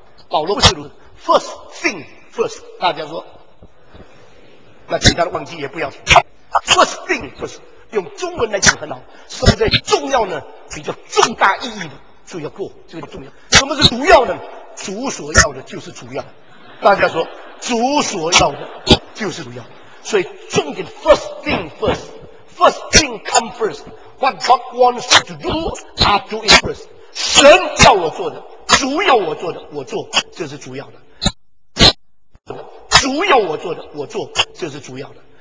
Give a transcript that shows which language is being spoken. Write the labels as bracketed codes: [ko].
[zh] 保罗不是如此， [en] first thing first， [zh] 大家说，那其他的忘记也不要紧。 [en] first thing first [zh] 用中文来讲很好，什么叫重要呢？比较重大意义的就要过，这个重要。什么是主要呢？主所要的就是主要，大家说，主所要的就是主要。所以重点 [en] first thing first， first thing come first。 What God wants to do, I do it first. [zh] 神要我做的，主要我做的，我做，这是主要的。主要我做的，我做，这是主要的。